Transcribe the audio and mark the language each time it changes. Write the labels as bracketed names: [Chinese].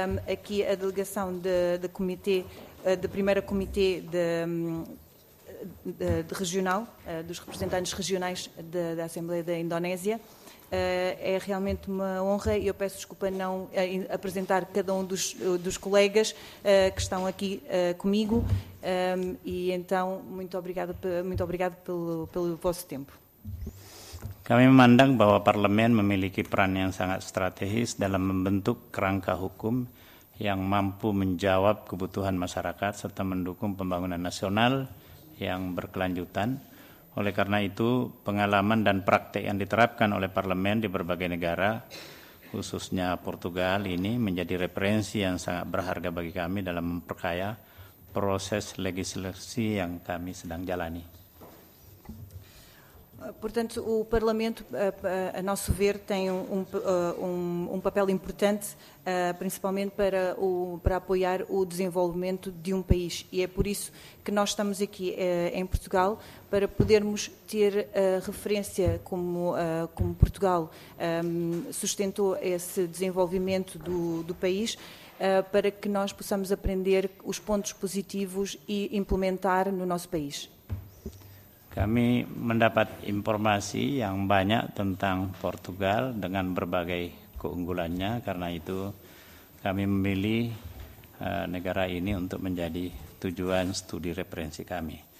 [Portuguese] Aqui a delegação de primeira comitê de regional, dos representantes regionais da Assembleia da Indonésia. É realmente uma honra e eu peço desculpa não apresentar cada um dos colegas que estão aqui comigo. E então, muito obrigado pelo vosso tempo. [Indonesian] Kami memandang bahwa parlemen memiliki peran yang sangat strategis dalam membentuk kerangka hukum yang mampu menjawab kebutuhan masyarakat serta mendukung pembangunan nasional yang berkelanjutan. Oleh karena itu, pengalaman dan praktik yang diterapkan oleh parlemen di berbagai negara, khususnya Portugal, ini menjadi referensi yang sangat berharga bagi kami dalam memperkaya proses legislasi yang kami sedang jalani. [Portuguese] Portanto, o Parlamento, a nosso ver, tem um papel importante, principalmente para apoiar o desenvolvimento de um país. E é por isso que nós estamos aqui em Portugal, para podermos ter referência como Portugal sustentou esse desenvolvimento do país, para que nós possamos aprender os pontos positivos e implementar no nosso país. [Indonesian] Kami mendapat informasi yang banyak tentang Portugal dengan berbagai keunggulannya, karena itu kami memilih negara ini untuk menjadi tujuan studi referensi kami.